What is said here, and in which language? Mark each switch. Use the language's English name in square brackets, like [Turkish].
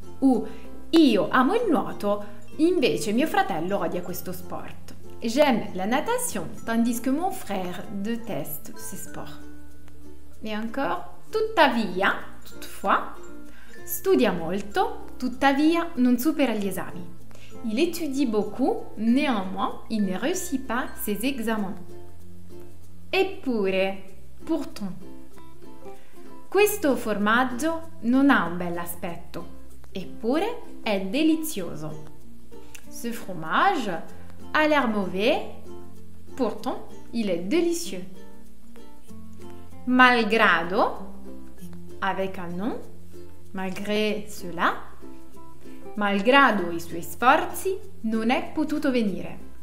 [Italian] Ou, io amo il nuoto, invece mio fratello odia questo sport. [French] J'aime la natation, tandis que mon frère déteste ce sport. Et encore, [Italian] tuttavia, toutefois, studia molto, tuttavia, non supera gli esami. [French] Il étudie beaucoup, néanmoins, il ne réussit pas ses examens. [Italian] Eppure, pourtant, questo formaggio non ha un bel aspetto, eppure è delizioso. [French] Ce fromage a l'air mauvais, pourtant il est délicieux. [Italian] Malgrado, [French] avec un nom, malgré cela, [Italian] malgrado i suoi sforzi, non è potuto venire.